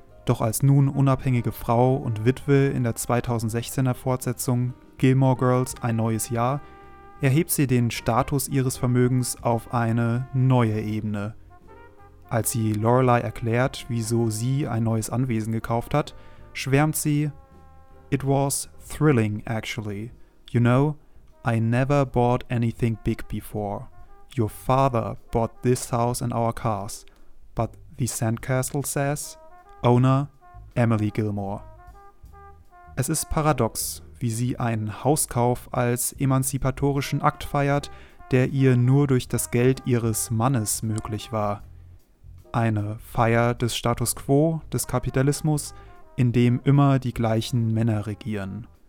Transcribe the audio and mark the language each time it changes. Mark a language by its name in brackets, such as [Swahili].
[German] Doch als nun unabhängige Frau und Witwe in der 2016er Fortsetzung Gilmore Girls – Ein neues Jahr erhebt sie den Status ihres Vermögens auf eine neue Ebene. Als sie Lorelei erklärt, wieso sie ein neues Anwesen gekauft hat, schwärmt sie: [English] "It was thrilling actually. You know, I never bought anything big before. Your father bought this house and our cars, but the sandcastle says... Owner, Emily Gilmore." [German] Es ist paradox, wie sie einen Hauskauf als emanzipatorischen Akt feiert, der ihr nur durch das Geld ihres Mannes möglich war. Eine Feier des Status quo, des Kapitalismus, in dem immer die gleichen Männer regieren.